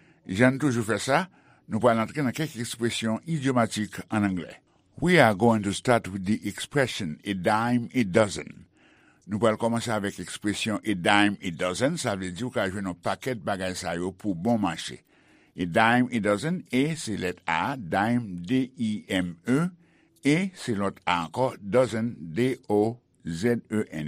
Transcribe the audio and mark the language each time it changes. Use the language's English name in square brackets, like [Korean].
[French] J'aime toujours faire ça, nous pouvons entrer dans quelques expressions idiomatiques en anglais. [English] We are going to start with the expression a dime a dozen. [French] Nous pouvons commencer avec l'expression [English] a dime a dozen, [French] ça veut dire qu'il y a un paquet de bagages pour bon marché. [English] A dime a dozen, [French] A c'est lettre A, dime D-I-M-E, et c'est l'autre A encore, dozen, D-O-Z-E-N.